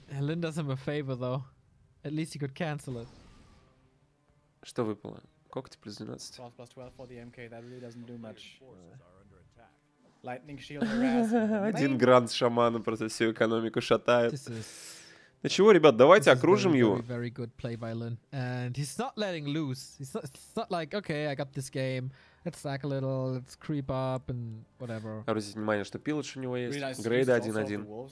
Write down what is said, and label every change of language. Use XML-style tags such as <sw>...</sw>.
<en>Lin does him a favor, though. At least he could cancel it.</en> <ru>Что выпало? Когти плюс 12.</ru> <en>Cross plus 12 for the MK. That really doesn't do much. Lightning shield harass.</en> <ru>Один грант шамана просто всю экономику шатает. Да чего, ребят, давайте окружим его.</ru> <en>Very good play by Lin. And he's not letting loose. It's not like, okay, I got this game. Let's stack a little, let's creep up and whatever.</en> <ru>Обратите внимание, что пилотш у него есть. Грейда 1-1.</ru>